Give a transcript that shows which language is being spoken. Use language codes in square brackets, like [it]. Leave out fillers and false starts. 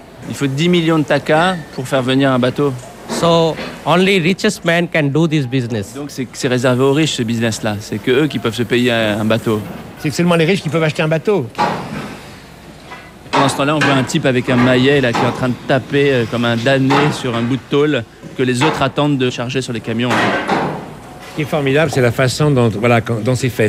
[fr] Il faut 10 millions de taka pour faire venir un bateau. [en] So only richest man can do this business. [fr] Donc c'est réservé aux riches ce business-là. C'est que eux qui peuvent se payer un bateau. C'est que seulement les riches qui peuvent acheter un bateau. Pendant ce temps-là, on voit un type avec un maillet là, qui est en train de taper comme un damné sur un bout de tôle que les autres attendent de charger sur les camions. Ce qui est formidable, c'est la façon dont c'est fait.